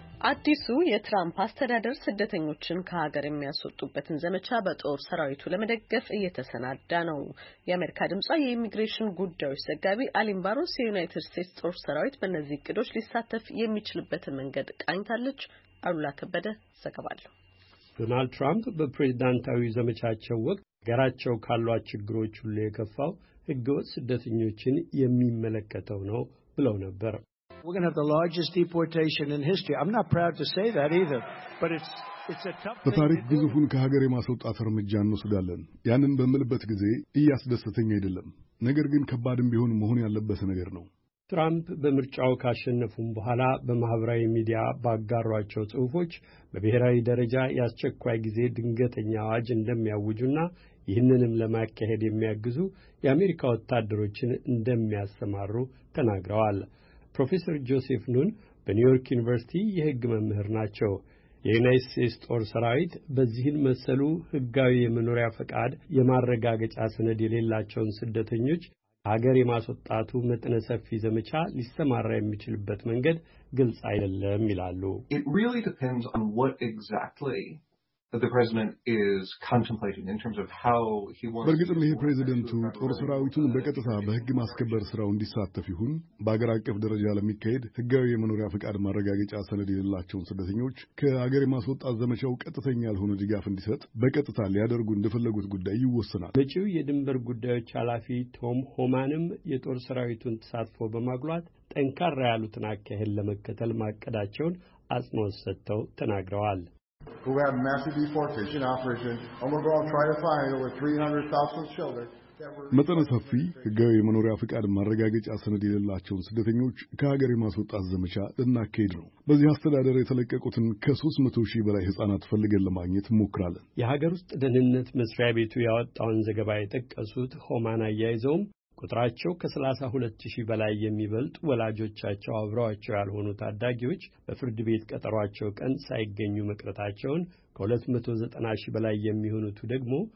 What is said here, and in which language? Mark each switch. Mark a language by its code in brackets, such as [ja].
[am] አዲሱ የትራምፕ አስተዳደር ስደተኞችን ከሀገር የሚያስወጡበትን ዘመቻ በጦር ሰራዊቱ ለመደገፍ እየተሰናዳ ነው። የአሜሪካ ድምጻ የኢሚግሬሽን ጉዳዮች ዘጋቢ አሊን ባሮስ የዩናይትድ ስቴትስ ጦር ሰራዊት በእነዚህ ቅዶች ሊሳተፍ የሚችልበትን መንገድ ቃኝታለች። አሉላ ከበደ ዘገባለሁ። ዶናልድ ትራምፕ በፕሬዝዳንታዊ ዘመቻቸው ወቅት ገራቸው ካሏቸው ችግሮች ሁሉ የከፋው ህገወጥ ስደተኞችን የሚመለከተው ነው ብለው ነበር። [en] We're going to have the largest deportation in history. I'm not proud to say that either, but it's a tough thing. [am] ታሪክ ግዙፉን ከሀገር የማስወጣት እርምጃ እንወስዳለን። ያንን በመልበት ጊዜ እያስደሰተኝ አይደለም። ነገር ግን ከባድም ቢሆን መሆን ያለበት ነገር ነው። ትራምፕ በምርጫው ካሸነፉም በኋላ በማህበራዊ ሚዲያ ባጋሯቸው ጽሑፎች በብሔራዊ ደረጃ ያስቸኳይ ጊዜ ድንገተኛ አዋጅ እንደሚያውጁና ይህንንም ለማካሄድ የሚያግዙ የአሜሪካ ወታደሮችን እንደሚያስተማሩ ተናግረዋል። ፕሮፌሰር ጆሴፍ ኑን በኒውዮርክ ዩኒቨርሲቲ የህግ መምህር ናቸው። የዩናይትድ ስቴትስ ጦር ሰራዊት በዚህን መሰሉ ህጋዊ የመኖሪያ ፈቃድ የማረጋገጫ ሰነድ የሌላቸውን ስደተኞች ሀገር የማስወጣቱ መጠነ ሰፊ ዘመቻ ሊስተማራ የሚችልበት መንገድ ግልጽ አይደለም ይላሉ። [en] It really depends on what exactly the president is contemplating in terms of how he wants [am] በርግጥም ይሄ ፕሬዝደንቱ ጦር ሰራዊቱን በቀጥታ በህግ ማስከበር ስራው እንዲሳተፍ ይሁን በአገር አቀፍ ደረጃ ለሚካሄድ ህጋዊ የመኖሪያ ፍቃድ ማረጋገጫ ሰነድ የሌላቸውን ስደተኞች ከአገር የማስወጣት ዘመቻው ቀጥተኛ ያልሆነ ድጋፍ እንዲሰጥ በቀጥታ ሊያደርጉ እንደፈለጉት ጉዳይ ይወሰናል። መጪው የድንበር ጉዳዮች ኃላፊ ቶም ሆማንም የጦር ሰራዊቱን ተሳትፎ በማግሏት ጠንካራ ያሉትን አካሄድ ለመከተል ማቀዳቸውን አጽንኦት ሰጥተው ተናግረዋል። [en] who have massive deportation operation and we're going to try to find over 300,000 children [am] መጠነ ሰፊ ህጋዊ የመኖሪያ ፍቃድ ማረጋገጫ ሰነድ የሌላቸውን ስደተኞች ከሀገር የማስወጣት ዘመቻ እናካሄድ ነው። በዚህ አስተዳደር የተለቀቁትን ከ300,000 በላይ ህጻናት ፈልገን ለማግኘት ሞክራለን። የሀገር ውስጥ ደህንነት መስሪያ ቤቱ ያወጣውን ዘገባ የጠቀሱት ሆማና ያይዘውም ቁጥራቸው ከ32,000 በላይ የሚበልጥ ወላጆቻቸው አብረዋቸው ያልሆኑ ታዳጊዎች በፍርድ ቤት ቀጠሯቸው ቀን ሳይገኙ መቅረታቸውን፣ ከ290,000 በላይ የሚሆኑት ደግሞ